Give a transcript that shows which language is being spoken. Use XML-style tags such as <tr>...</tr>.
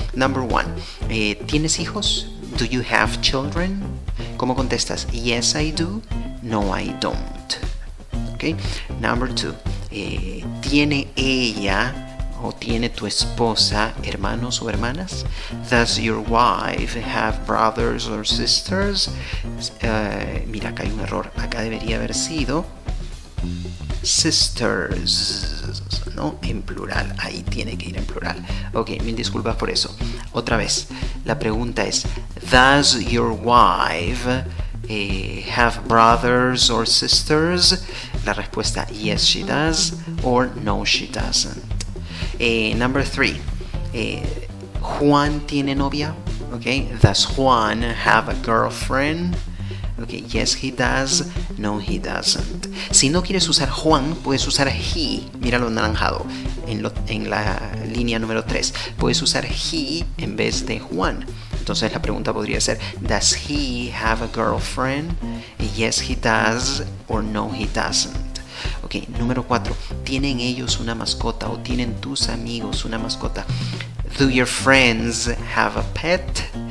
<en>Number one,</en> <es>¿tienes hijos?</es> <en>Do you have children?</en> <es>¿Cómo contestas?</es> <en>Yes, I do. No, I don't. ¿Okay? Number two,</en> <es>¿tiene ella o tiene tu esposa hermanos o hermanas?</es> <en>Does your wife have brothers or sisters?</en> <es>Mira, acá hay un error. Acá debería haber sido sisters, ¿no? En plural. Ahí tiene que ir en plural. Ok, mil disculpas por eso. Otra vez, la pregunta es,</es> <en>¿does your wife have brothers or sisters?</en> <es>La respuesta,</es> <en>yes, she does, or no, she doesn't. Number three,</en> <es>¿Juan tiene novia?</es> <en>Okay, ¿does Juan have a girlfriend? Okay, yes, he does. No, he doesn't.</en> <es>Si no quieres usar Juan, puedes usar he. Mira lo anaranjado en la línea número 3. Puedes usar he en vez de Juan. Entonces la pregunta podría ser,</es> <en>does he have a girlfriend? Yes, he does. Or no, he doesn't. Okay,</en> <es>número 4. ¿Tienen ellos una mascota o tienen tus amigos una mascota?</es> <en>Do your friends have a pet?</en>